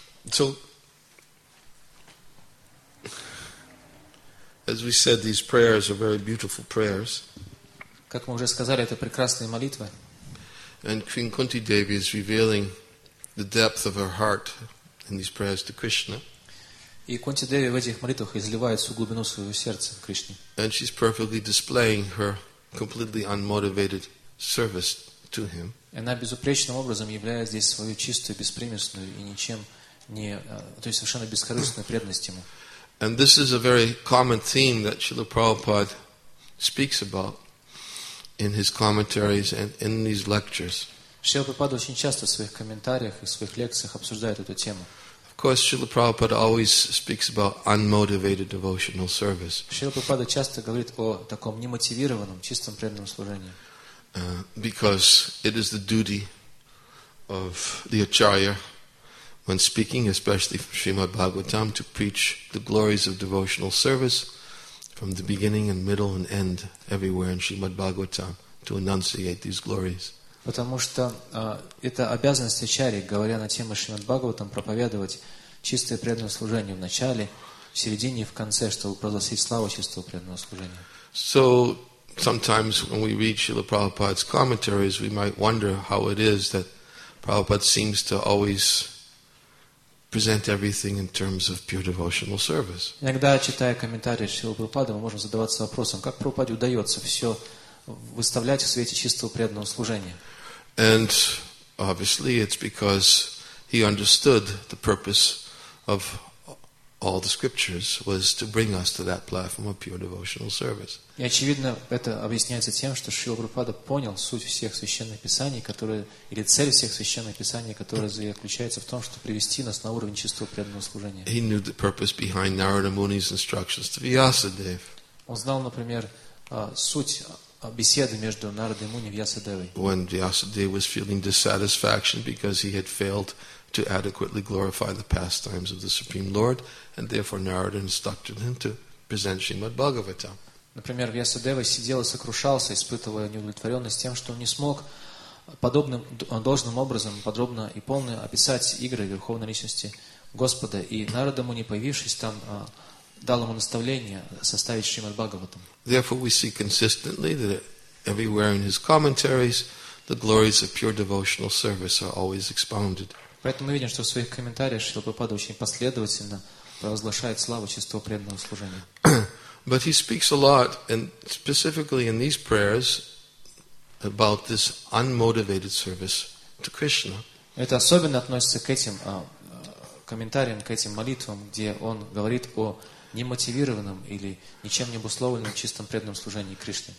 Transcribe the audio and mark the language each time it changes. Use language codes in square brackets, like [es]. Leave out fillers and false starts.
[en] So, as we said, these prayers are very beautiful prayers. [ru] Как мы уже сказали, это прекрасные молитвы. [en] And Queen Kunti Devi is revealing the depth of her heart in these prayers to Krishna. [ru] И Кунти Деви в этих молитвах изливает всю глубину своего сердца Кришне. [en] And she's perfectly displaying her completely unmotivated service to him. [ru] И она безупречным образом являет здесь свою чистую, беспримесную и ничем не, то есть совершенно бескорыстную преданность ему. [en] And this is a very common theme that Srila Prabhupada speaks about. In his commentaries and in these lectures. [ru] Шрила Прабхупада очень часто в своих комментариях и в своих лекциях обсуждает эту тему. [en] Of course, Шрила Прабхупада always speaks about unmotivated devotional service. [ru] Шрила Прабхупада часто говорит о таком немотивированном, чистом преданном служении. [en] Because it is the duty of the acharya when speaking, especially from Srimad Bhagavatam, to preach the glories of devotional service from the beginning and middle and end, everywhere in Srimad Bhagavatam, to enunciate these glories. [ru] Потому что это обязанность ачарьи, говоря на тему Шримад Бхагаватам, проповедовать чистое преданное служение в начале, в середине и в конце, чтобы провозгласить славу чистого преданного служения. [en] So sometimes when we read Srila Prabhupada's commentaries, we might wonder how it is that Prabhupada seems to always present everything in terms of pure devotional service. [ru] Иногда, читая комментарии Шрилы Прабхупады, мы можем задаваться вопросом, как Прабхупаде удается все выставлять в свете чистого преданного служения. [en] And obviously it's because he understood the purpose of all the scriptures was to bring us to that platform of pure devotional service. [ru] И очевидно, это объясняется тем, что Шрила Прабхупада понял суть всех священных писаний, которые, или цель всех священных писаний, которая заключается в том, чтобы привести нас на уровень чистого преданного служения. [en] He knew the purpose behind Narada Muni's instructions to Vyasadeva. [ru] Он знал, например, суть беседы между Нарадой Муни и Вьясадевой. [en] When Vyasadeva was feeling dissatisfaction because he had failed to adequately glorify the pastimes of the Supreme Lord, and therefore Narada instructed him to present Srimad Bhagavatam. [ru] Например, Вьясадева сидел и сокрушался, испытывая неудовлетворенность тем, что он не смог подобным должным образом подробно и полно описать игры Верховной Личности Господа. И Нарада Муни, появившись там, дал ему наставление составить Шримад Бхагаватам. [en] Therefore we see consistently that everywhere in his commentaries the glories of pure devotional service are always expounded. [ru] Поэтому мы видим, что в своих комментариях Шрила Прабхупада очень последовательно провозглашает славу чистого преданного служения. [en] But he speaks a lot, and specifically in these prayers, about this unmotivated service to Krishna. [ru] Это особенно относится к этим комментариям, к этим молитвам, где он говорит о немотивированном или ничем не обусловленном чистом преданном служении Кришне.